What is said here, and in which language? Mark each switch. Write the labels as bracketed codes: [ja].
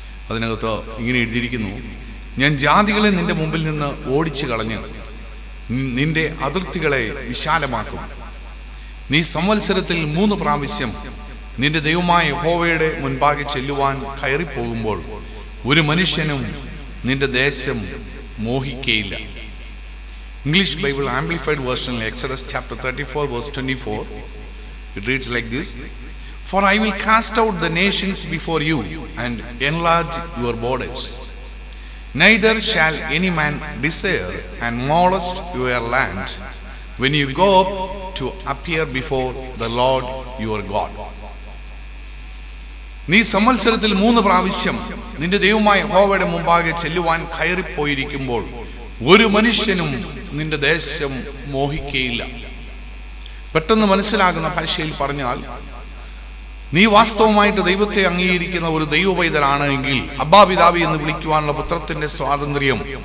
[ml] അതിനകത്ത് ഇങ്ങനെ എഴുതിയിരിക്കുന്നു, ഞാൻ ജാതികളെ നിന്റെ മുമ്പിൽ നിന്ന് ഓടിച്ചു കളഞ്ഞ് നിന്റെ അതിർത്തികളെ വിശാലമാക്കും. നീ സംവത്സരത്തിൽ 3 പ്രാവശ്യം നിന്റെ ദൈവമായ യഹോവയുടെ മുൻപാകെ ചെല്ലുവാൻ കയറിപ്പോകുമ്പോൾ ഒരു മനുഷ്യനും നിന്റെ ദേശം മോഹിക്കയില്ല. [en] English Bible amplified വേർഷനിൽ Exodus chapter 34:24 it reads like this: For I will cast out the nations before you and enlarge your borders. Neither shall any man desire and molest your land when you go up to appear before the Lord your God. [ml] നീ സംവത്സരത്തിൽ 3 പ്രാവശ്യം നിന്റെ ദൈവമായ യഹോവയുടെ മുമ്പാകെ ചെല്ലുവാൻ കയറിപ്പോയിരിക്കുമ്പോൾ ഒരു മനുഷ്യനും നിന്റെ ദേശം മോഹിക്കയില്ല. പെട്ടെന്ന് മനസ്സിലാകുന്ന ഭാഷയിൽ പറഞ്ഞാൽ, നീ വാസ്തവമായിട്ട് ദൈവത്തെ അംഗീകരിക്കുന്ന ഒരു ദൈവപൈതലാണ് എങ്കിൽ, അബ്ബാ പിതാവി എന്ന് വിളിക്കുവാനുള്ള പുത്രത്തിന്റെ സ്വാതന്ത്ര്യം